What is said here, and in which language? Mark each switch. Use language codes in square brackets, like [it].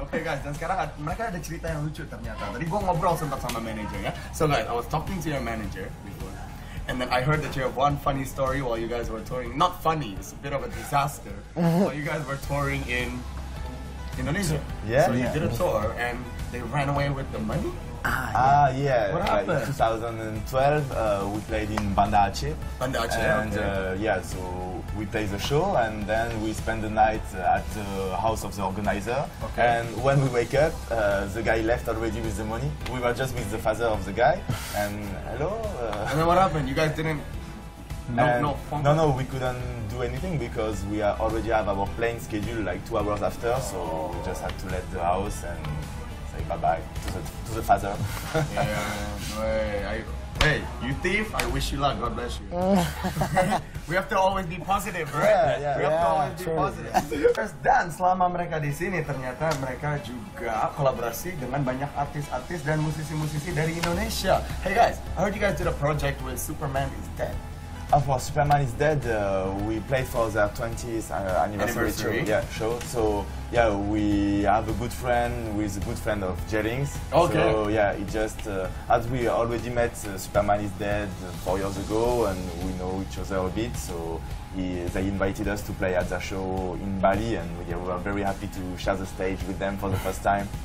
[id] Okay guys, dan sekarang mereka ada cerita yang lucu ternyata. Tadi gua ngobrol sempat sama manager ya. [en] So guys, I was talking to your manager before. And then I heard that you have one funny story while you guys were touring. Not funny, it's a bit of a disaster. While you guys were touring in Indonesia. Yeah. So you did a tour and they ran away with the money? Yeah. What happened? In 2012, we played in Banda Aceh. Banda Aceh, and, okay. Yeah, so we played the show and then we spent the night at the house of the organizer. Okay. And when we wake up, the guy left already with the money. We were just with the father of the guy. And hello? And then what happened? You guys didn't... No, we couldn't do anything because we already have our plane scheduled like 2 hours after. Oh. So we just had to let the house and... Bye-bye to the father. Yeah, hey, you thief, I wish you luck. God bless you. We have to always be positive, right? Yeah, we have to always be positive. [id] Terus dan selama mereka di sini, ternyata mereka juga kolaborasi dengan banyak artis-artis dan musisi-musisi dari Indonesia. [en] Hey guys, I heard you guys did a project with Superman Is Dead. Of course, Superman Is Dead, we played for their 20th anniversary, show. So, yeah, we have a good friend with a good friend of Jerings. Okay. So, yeah, it just, as we already met Superman Is Dead 4 years ago and we know each other a bit, so they invited us to play at their show in Bali and we were very happy to share the stage with them for the first time.